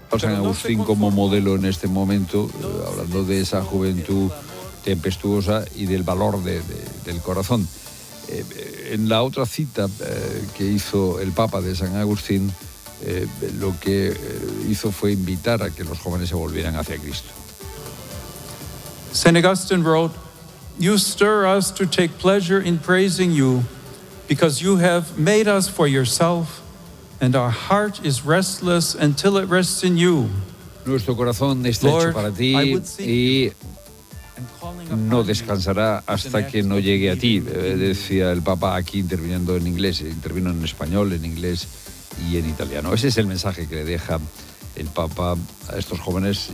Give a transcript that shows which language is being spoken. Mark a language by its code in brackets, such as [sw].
[es] San Agustín como modelo en este momento, hablando de esa juventud tempestuosa y del valor del corazón. En la otra cita que hizo el Papa de San Agustín, lo que hizo fue invitar a que los jóvenes se volvieran hacia Cristo. [en] San Agustín wrote, "You stir us to take pleasure in praising you, because you have made us for yourself, and our heart is restless until it rests in you." [es] Nuestro corazón está hecho para ti y no descansará hasta que no llegue a ti, decía el Papa aquí interviniendo en inglés. Intervino en español, en inglés y en italiano. Ese es el mensaje que le deja el Papa a estos jóvenes.